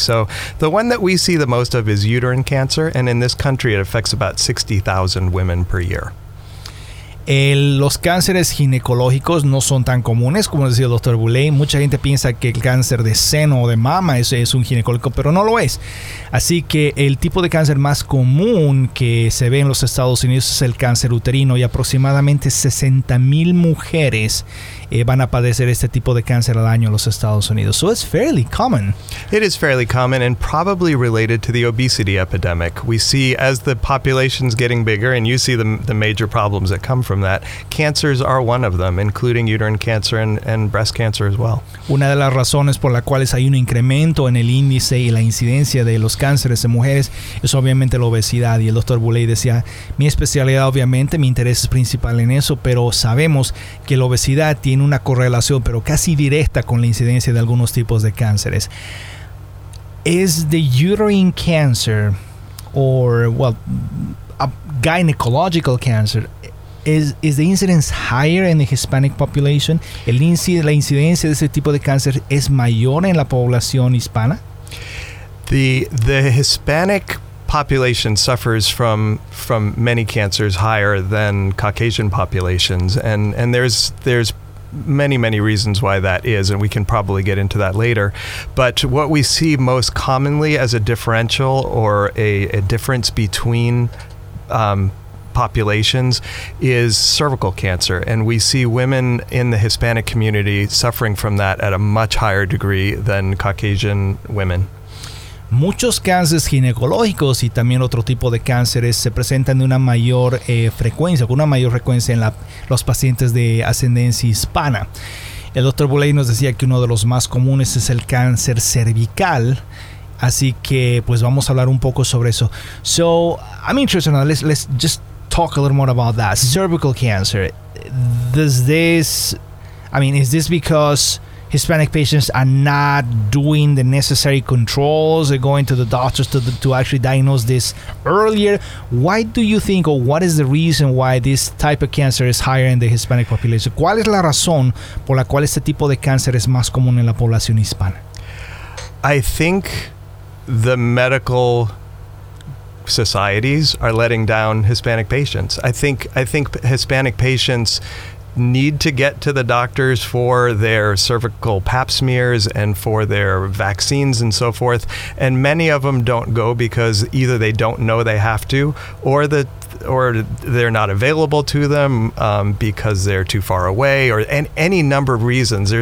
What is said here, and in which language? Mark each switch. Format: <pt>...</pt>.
<en>So the one that we see the most of is uterine cancer. And in this country, it affects about 60,000 women per year.</en> <es>Los cánceres ginecológicos no son tan comunes, como decía el doctor Boulay. Mucha gente piensa que el cáncer de seno o de mama es un ginecológico, pero no lo es. Así que el tipo de cáncer más común que se ve en los Estados Unidos es el cáncer uterino, y aproximadamente 60,000 mujeres van a padecer este tipo de cáncer al año en los Estados Unidos.</es> <en>So it's fairly common. It is fairly common and probably related to the obesity epidemic. We see as the population's getting bigger, and you see the major problems that come from that, cancers are one of them, including uterine cancer and breast cancer as well.</en> <es>Una de las razones por las cuales hay un incremento en el índice y la incidencia de los cánceres en mujeres es obviamente la obesidad. Y el doctor Boulay decía, mi especialidad obviamente, mi interés es principal en eso, pero sabemos que la obesidad tiene una correlación, pero casi directa, con la incidencia de algunos tipos de cánceres.</es> <en>Is the uterine cancer, or, well, a gynecological cancer, Is the incidence higher in the Hispanic population?</en> <es>La incidencia de ese tipo de cáncer es mayor en la población hispana?</es> <en>The Hispanic population suffers from many cancers higher than Caucasian populations, and there's many, many reasons why that is, and we can probably get into that later. But what we see most commonly as a differential or a difference between populations is cervical cancer, and we see women in the Hispanic community suffering from that at a much higher degree than Caucasian women.</en> <es>Muchos cánceres ginecológicos y también otro tipo de cánceres se presentan de una mayor frecuencia, con una mayor frecuencia en los pacientes de ascendencia hispana. El doctor Boulay nos decía que uno de los más comunes es el cáncer cervical. Así que pues vamos a hablar un poco sobre eso.</es> <en>So I'm interested in that. Let's just talk a little more about that. Cervical cancer. Is this because Hispanic patients are not doing the necessary controls? They're going to the doctors to actually diagnose this earlier? Why do you think, or what is the reason why this type of cancer is higher in the Hispanic population?</en> <es>¿Cuál es la razón por la cual este tipo de cáncer es más común en la población hispana?</es> <en>I think the medical societies are letting down Hispanic patients. I think Hispanic patients need to get to the doctors for their cervical pap smears and for their vaccines and so forth, and many of them don't go because either they don't know they have to, or they're not available to them because they're too far away, or any number of reasons.</en>